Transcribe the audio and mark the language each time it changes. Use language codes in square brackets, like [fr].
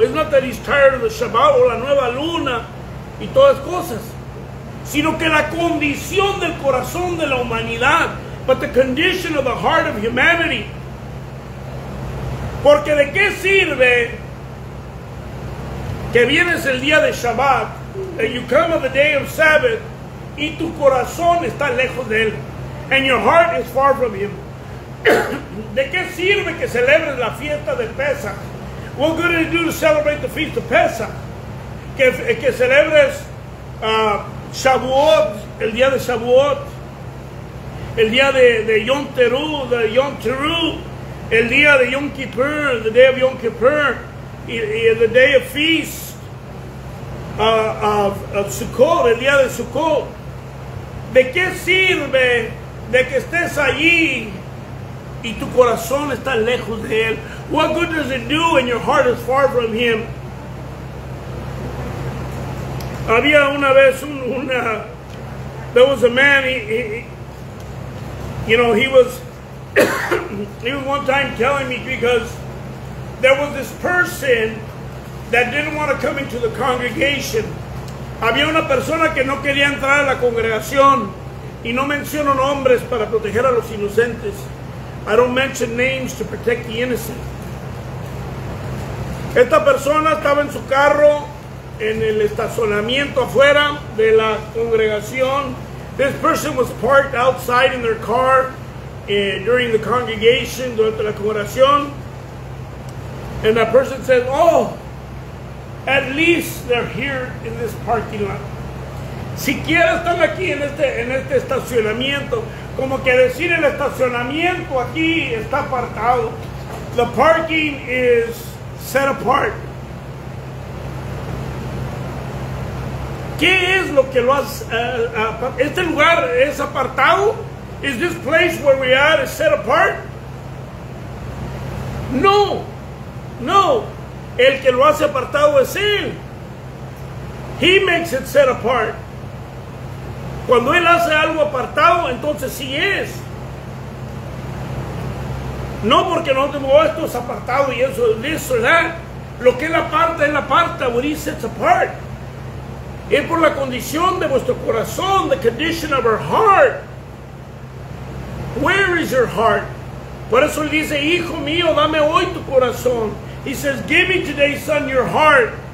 [en] It's not that he's tired of the Shabbat [es] o la nueva luna y todas cosas, sino que la condición del corazón de la humanidad, [en] but the condition of the heart of humanity. [es] Porque de qué sirve que vienes el día de Shabbat, [en] that you come on the day of Sabbath, [es] y tu corazón está lejos de él, and your heart is far from him. ¿De qué sirve que celebres la fiesta de Pesach? [en] What good is it to celebrate the feast of Pesach? [es] Que celebres Shavuot, el día de Shavuot, el día de Yom Teruah, [en] the Yom Teruah, [es] el día de Yom Kippur, [en] the day of Yom Kippur, [es] y [en] the day of feast of Sukkot, [es] el día de Sukkot. ¿De qué sirve de que estés allí y tu corazón está lejos de él? [en] What good does it do when your heart is far from him? [es] Había una vez [en] there was a man, he was one time telling me, because there was this person that didn't want to come into the congregation. [es] Había una persona que no quería entrar a la congregación, y no menciono nombres para proteger a los inocentes. [en] I don't mention names to protect the innocent. [es] Esta persona estaba en su carro en el estacionamiento afuera de la congregación. [en] This person was parked outside in their car during the congregation, [es] durante la congregación. [en] And that person said, oh, at least they're here in this parking lot. [es] Siquiera están aquí en este estacionamiento. Como que decir, el estacionamiento aquí está apartado. [en] The parking is set apart. [es] ¿Qué es lo que lo has... ¿Este lugar es apartado? [en] Is this place where we are is set apart? [es] No. No. El que lo hace apartado es él. [en] He makes it set apart. [es] Cuando él hace algo apartado, entonces sí es. No porque no tengo esto es apartado y eso es [en] this or that. [es] Lo que él aparta, [en] what he sets apart. [es] Es por la condición de vuestro corazón, [en] the condition of our heart. Where is your heart? [es] Por eso él dice, hijo mío, dame hoy tu corazón. [en] He says, give me today, son, your heart.